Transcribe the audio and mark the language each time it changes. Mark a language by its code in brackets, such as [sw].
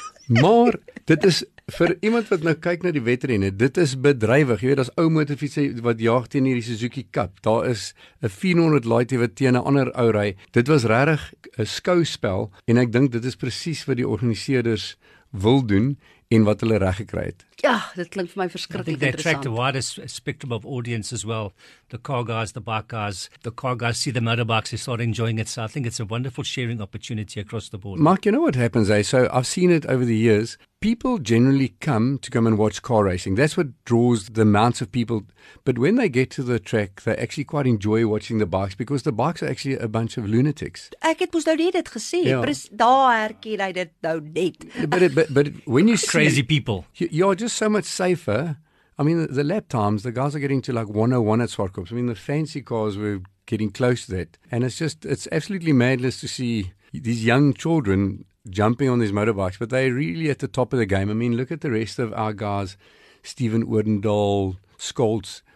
[af] Maar dit is vir iemand wat nou kyk na die wedrenne, dit is bedrywig. Jy weet, daar's ou motorfietsie wat jaag teen hierdie Suzuki Cup. Daar is 'n 400 Lite wat teen 'n ander ou ry. Dit was regtig 'n skouspel en ek dink dit is presies wat die organiseerders wil doen en wat hulle reg gekry het. Ja, dit klink vir my verskriklik interessant. [en] They attract a widest spectrum of audience as well. The car guys, the bike guys, the car guys see the motorbikes, they start enjoying it. So I think it's a wonderful sharing opportunity across the board. Mark, you know what happens, eh? So I've seen it over the years. People generally come and watch car racing. That's what draws the amounts of people. But when they get to the track, they actually quite enjoy watching the bikes because the bikes are actually a bunch of lunatics. [af] Ek het mos nou net dit gesê. Yeah. Daar herken jy dit nou net. [en] But when you see... Crazy people. You're just so much safer. I mean, the lap times, the guys are getting to like 101 at Swartkops. I mean, the fancy cars were getting close to that. And it's just, it's absolutely madness to see these young children jumping on these motorbikes, but they're really at the top of the game. I mean, look at the rest of our guys, Steven Oerdendaal, Scholtz.